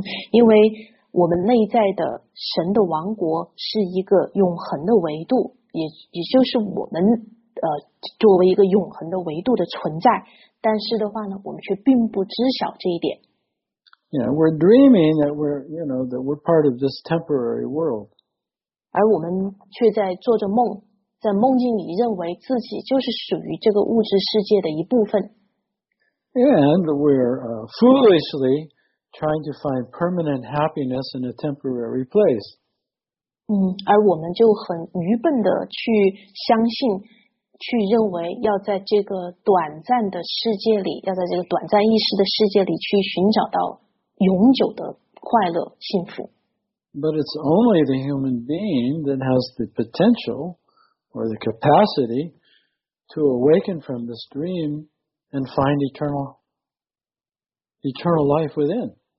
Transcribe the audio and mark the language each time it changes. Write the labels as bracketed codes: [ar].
[zh] 因为我们内在的神的王国是一个永恒的维度，也就是我们作为一个永恒的维度的存在，但是的话呢，我们却并不知晓这一点。 [en] Yeah, we're dreaming that we're part of this temporary world. [zh] 而我们却在做着梦，在梦境里认为自己就是属于这个物质世界的一部分。 [en] And we're foolishly trying to find permanent happiness in a temporary place. [zh] 而我们就很愚笨的去相信，去认为要在这个短暂的世界里，要在这个短暂意识的世界里去寻找到永久的快乐幸福。 [en] But it's only the human being that has the potential or the capacity to awaken from this dream and find eternal life within.